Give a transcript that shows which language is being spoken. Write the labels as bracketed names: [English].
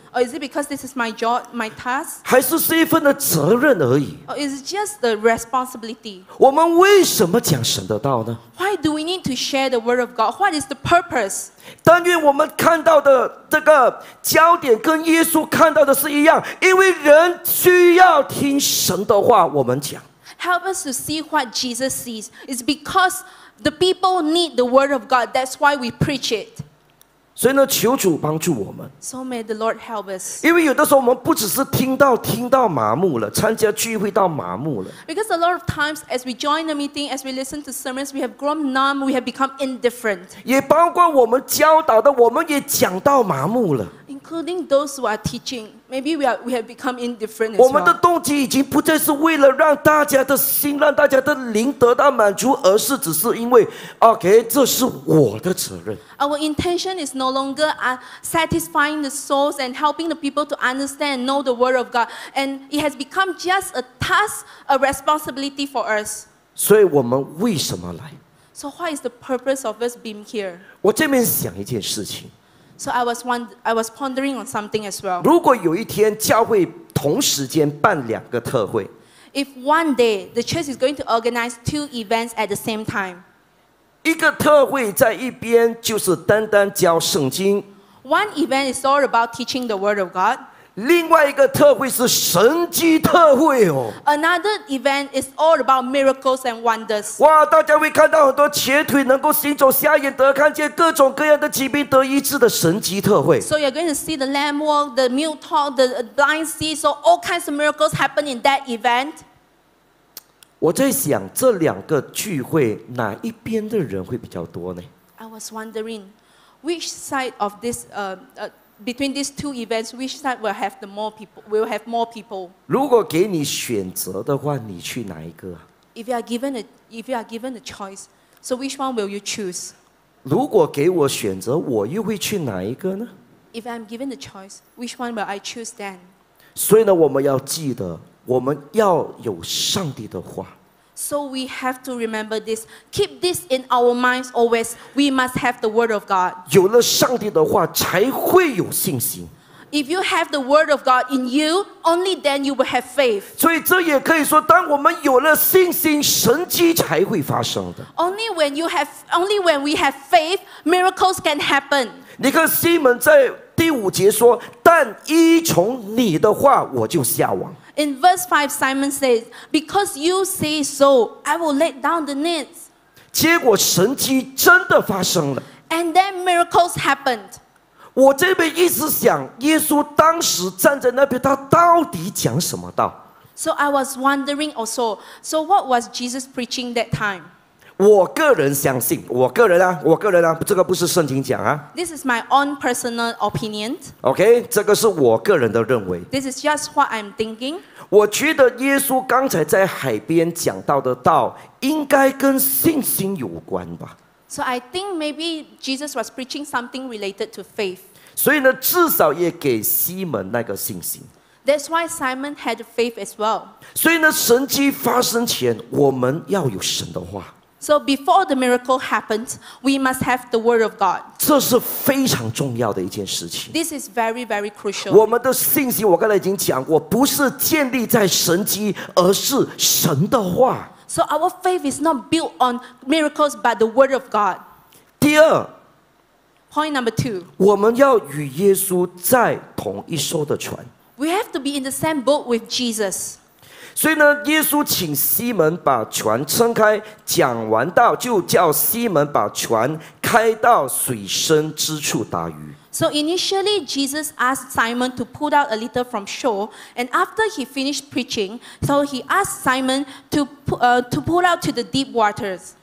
[English] Or is it because this is my job, my task? [Chinese] 还是是一份的责任而已？ [English] Or is it just the responsibility? [Chinese] 我们为什么讲神的道呢？ [English] Why do we need to share the word of God? What is the purpose? [Chinese] 但愿我们看到的这个焦点跟耶稣看到的是一样，因为人需要听神的话，我们讲。 [English] Help us to see what Jesus sees. It's because the people need the word of God. That's why we preach it. [Chinese] 所以呢，求主帮助我们。 [English] So may the Lord help us. [Chinese] 因为有的时候我们不只是听到麻木了，参加聚会到麻木了。 [English] Because a lot of times, as we join the meeting, as we listen to sermons, we have grown numb. We have become indifferent. [Chinese] 也包括我们教导的，我们也讲到麻木了。 [English] Including those who are teaching, maybe we have become indifferent. [Chinese] 我们的动机已经不再是为了让大家的心、让大家的灵得到满足，而是只是因为 ，OK， 这是我的责任。 [English] Our intention is no longer satisfying the souls and helping the people to understand and know the word of God, and it has become just a task, a responsibility for us. [Chinese] 所以我们为什么来 [English] ？So why is the purpose of us being here? [Chinese] 我这边想一件事情。 [English] So I was pondering on something as well. [Chinese] 如果有一天教会同时间办两个特会， [English] If one day the church is going to organize two events at the same time, [Chinese] 一个特会在一边就是单单教圣经， [English] One event is all about teaching the word of God. [Chinese] 另外一个特会是神迹特会哦。 [English] Another event is all about miracles and wonders. [Chinese] 哇，大家会看到很多瘸腿能够行走，瞎眼得看见，各种各样的疾病得医治的神迹特会。 [English] So you're going to see the lame walk, the mute talk, the blind see. So all kinds of miracles happen in that event. [Chinese] 我在想这两个聚会哪一边的人会比较多呢？ [English] I was wondering which side of this Between these two events, which side will have the more people? Will have more people? [Chinese] 如果给你选择的话，你去哪一个？ [English] If you are given a choice, so which one will you choose? [Chinese] 如果给我选择，我又会去哪一个呢？ [English] If I'm given the choice, which one will I choose then? [Chinese] 所以呢，我们要记得，我们要有上帝的话。 [English] So we have to remember this. Keep this in our minds always. We must have the word of God. [Chinese] 有了上帝的话，才会有信心。 [English] If you have the word of God in you, only then you will have faith. [Chinese] 所以这也可以说，当我们有了信心，神迹才会发生的。 [English] Only when we have faith, miracles can happen. [Chinese] 你看西门在第五节说，但依从你的话，我就下网。 [English] In verse 5, Simon says, Because you say so, I will let down the nets. [Chinese] 结果神迹真的发生了。 [English] And then miracles happened. [Chinese] 我这边一直想，耶稣当时站在那边，他到底讲什么道？ [English] So I was wondering also, so what was Jesus preaching that time? [Chinese] 我个人相信，我个人啊，这个不是圣经讲啊。 [English] This is my own personal opinion. [Chinese] Okay, 这个是我个人的认为。 [English] This is just what I'm thinking. [Chinese] 我觉得耶稣刚才在海边讲到的道，应该跟信心有关吧。 [English] So I think maybe Jesus was preaching something related to faith. [Chinese] 所以呢，至少也给西门那个信心。 [English] That's why Simon had faith as well. [Chinese] 所以呢，神迹发生前，我们要有神的话。 [English] So before the miracle happens, we must have the word of God. [Chinese] 这是非常重要的一件事情。 [English] This is very, very crucial. [Chinese] 我们的信心，我刚才已经讲过，不是建立在神迹，而是神的话。 [English] So our faith is not built on miracles, but the word of God. [Chinese] 第二 [English] ，Point number two， [Chinese] 我们要与耶稣在同一艘的船。 [English] We have to be in the same boat with Jesus. [Chinese] 所以呢，耶稣请西门把船撑开，讲完道就叫西门把船开到水深之处打鱼。 [English] So initially, Jesus asked Simon to put out a little from shore, and after he finished preaching, so he asked Simon to pull out to the deep waters.